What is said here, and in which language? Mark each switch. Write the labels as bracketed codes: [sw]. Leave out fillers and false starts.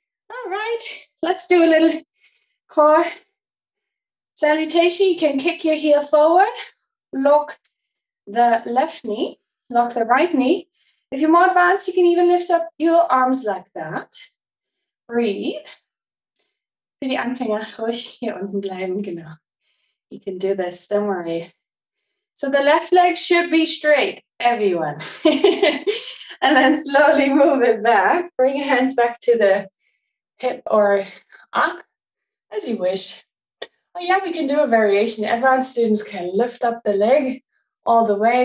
[en] All right, let's do a little core salutation. You can kick your heel forward, lock the left knee, lock the right knee, If you're more advanced, you can even lift up your arms like that. Breathe. [de] Für die Anfänger ruhig hier unten bleiben, genau. [en] You can do this, don't worry. So the left leg should be straight, everyone. And then slowly move it back. Bring your hands back to the hip or up, as you wish. Oh yeah, we can do a variation. Advanced students can lift up the leg all the way.